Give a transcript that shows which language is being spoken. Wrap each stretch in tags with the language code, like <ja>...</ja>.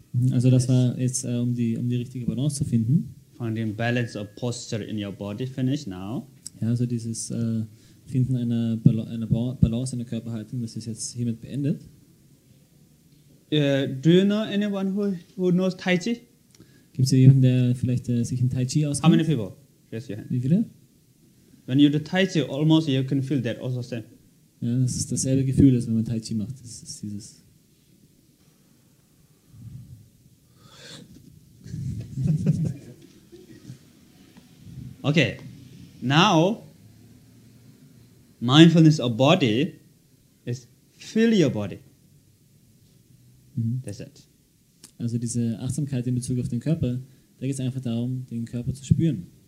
<de>Also das war jetzt um die richtige Balance zu finden.</de> <en>Finding balance of posture in your body. Finish now.</en> <de>Ja, also dieses Finden einer Balance in der Körperhaltung, das ist jetzt hiermit beendet.</de> <en>Do you know anyone who knows Tai Chi?</en> <de>Gibt es jemanden, der vielleicht sich in Tai Chi auskennt?</de> <en>How many people? Raise your hand.</en> <de>Wie viele?</de> <en>When you do Tai Chi, almost you can feel that also same.</en> <de>Ja, das ist dasselbe Gefühl, als wenn man Tai Chi macht. Das ist dieses.</de> <en>Okay. Now, mindfulness of body is feel your body. Mm-hmm. That's it.</en> <de>also diese Achtsamkeit in Bezug auf den Körper, da geht es einfach darum, den Körper zu spüren.</de>